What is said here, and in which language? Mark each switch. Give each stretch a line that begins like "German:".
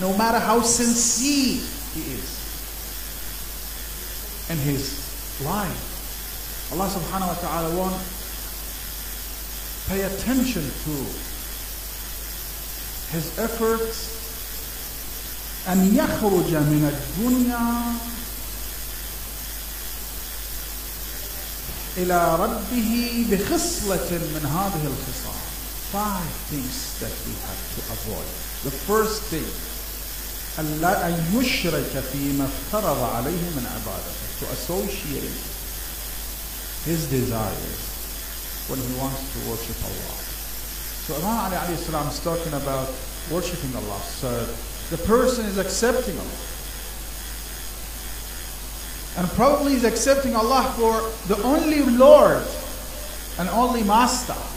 English: No matter how sincere he is in his life, Allah subhanahu wa ta'ala won't pay attention to his efforts.
Arabic: أَنْ يَخْرُجَ مِنَ الدُّنْيَا إِلَىٰ رَبِّهِ بِخِصْلَةٍ مِّنْ هَذِهِ الْخِصَامِ.
English: Five things that we have to avoid. The first thing,
Arabic: أَن يُشْرَكَ فِي مَفْتَرَضَ عَلَيْهِ مِنْ عَبَادَةِ.
English: To associate his desires when he wants to worship Allah. So Imam Ali alayhi salam is talking about worshiping Allah. So the person is accepting Allah, and probably he's accepting Allah for the only Lord and only Master.